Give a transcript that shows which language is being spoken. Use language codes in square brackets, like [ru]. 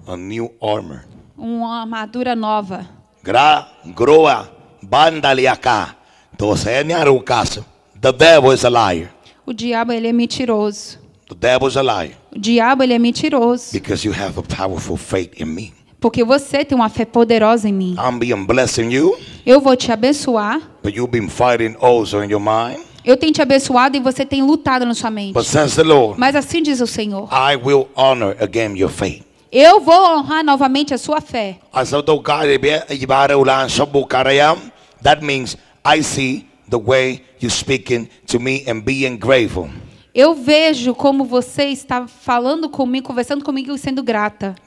[en] A new armor. [pt] Uma armadura nova. Gra groa bandaliaka. Você é nearucaso. [en] The devil is a liar. [pt] O diabo ele é mentiroso. [en] The devil is a liar. [pt] O diabo ele é mentiroso. [en] Because you have a powerful faith in me. [pt] Porque você tem uma fé poderosa em mim. [en] I'm being blessing you. [pt] Eu vou te abençoar. [en] But you've been fighting also in your mind. [pt] Eu tenho te abençoado e você tem lutado na sua mente. [en] But says the Lord, [pt] mas assim diz o Senhor. [en] I will honor again your faith. [pt] Eu vou honrar novamente a sua fé. [en] That means I see the way you're speaking to me and being grateful. [pt] Eu vejo como você está falando comigo, conversando comigo e sendo grata.